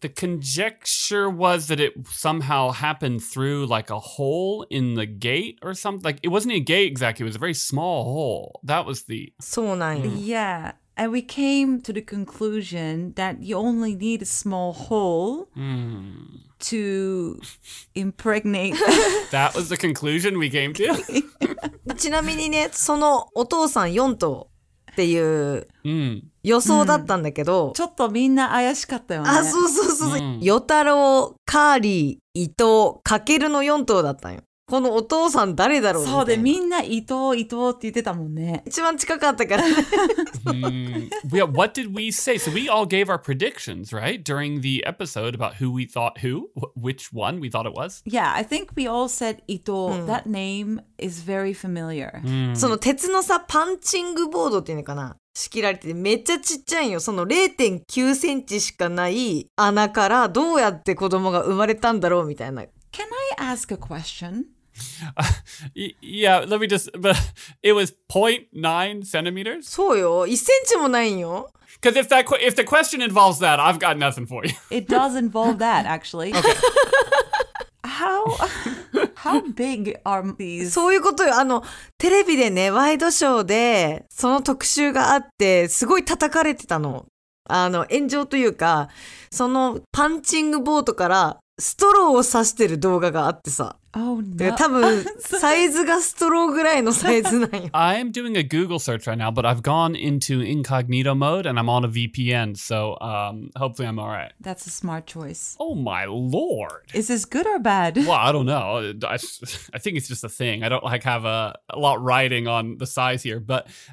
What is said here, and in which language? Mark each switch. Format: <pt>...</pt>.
<en>The conjecture was that it somehow happened through like a hole in the gate or something. Like it wasn't a gate exactly. It was a very small hole. That was the... So nice. Yeah. And we came to the conclusion that you only need a small hole to impregnate. That was the conclusion we came to?</en> <ja>ちなみにね、そのお父さん4頭っていう予想だったんだけど、ちょっとみんな怪しかったよね。あ、そうそうそうそう。与太郎、カーリー、伊藤、かけるの4頭だったんよ。このお父さん誰だろうみたいな。そうで、みんな伊藤、伊藤って言ってたもんね。一番近かったから</ja> <en>ね。Yeah, what did we say? So we all gave our predictions, right? During the episode about who we thought who, which one we thought it was? Yeah, I think we all said 伊藤.That name is very familiar.</en> <ja>その鉄のさ、パンチングボードっていうのかな仕切られててめっちゃちっちゃいよ。その 0.9 センチしかない穴からどうやって子供が生まれたんだろうみたいな。</ja> <en>Can I ask a question? Yeah, let me just... But it was 0.9 centimeters?</en> <ja>そうよ。1センチもないよ。</ja> <en>Because if the question involves that, I've got nothing for you. It does involve that, actually. Okay. How big are these?</en> <ja>そういうことよ。あの、テレビでね、ワイドショーでその特集があって、すごい叩かれてたの。あの、炎上というか、そのパンチングボートから、ストローを刺してる動画があってさ。</ja> <en>Oh, no.</en> <ja>多分サイズがストローぐらいのサイズなんよ。</ja> <en>I'm doing a Google search right now, but I've gone into incognito mode and I'm on a VPN, so hopefully I'm all right. That's a smart choice. Oh my lord. Is this good or bad? Well, I don't know. I think it's just a thing. I don't like have a lot riding on the size here, but</en>